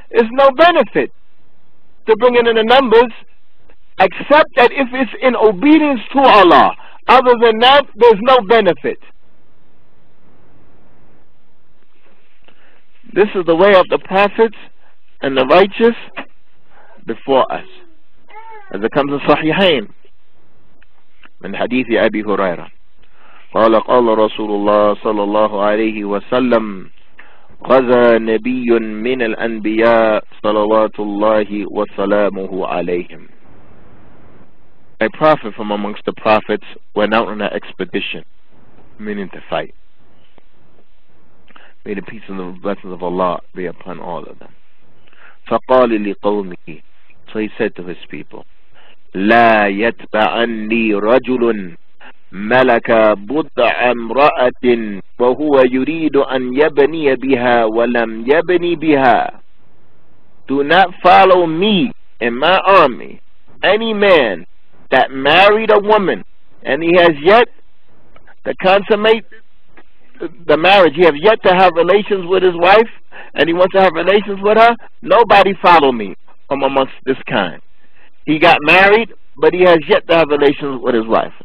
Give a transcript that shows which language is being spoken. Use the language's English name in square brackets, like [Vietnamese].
[English] There's no benefit to bring it in the numbers, except that if it's in obedience to Allah. Other than that, there's no benefit. This is the way of the prophets and the righteous before us. As it comes in Sahihain, in Hadith Abi Huraira, [Arabic] قال قال رسول الله صلى الله عليه وسلم غزا نبي من الأنبياء صلوات الله وسلامه عليهم. [English] A prophet from amongst the prophets went out on an expedition, meaning to fight. May the peace and the blessings of Allah be upon all of them. [Arabic] فقال لقومه, [English] So he said to his people, [Arabic] لا يتبعني رجل ملك بضع امرأة وهو يريد أن يبني بها ولم يبني بها. [English] Do not follow me and my army, any man that married a woman and he has yet to consummate the marriage, he has yet to have relations with his wife and he wants to have relations with her. Nobody follow me from amongst this kind. He got married, but he has yet to have relations with his wife.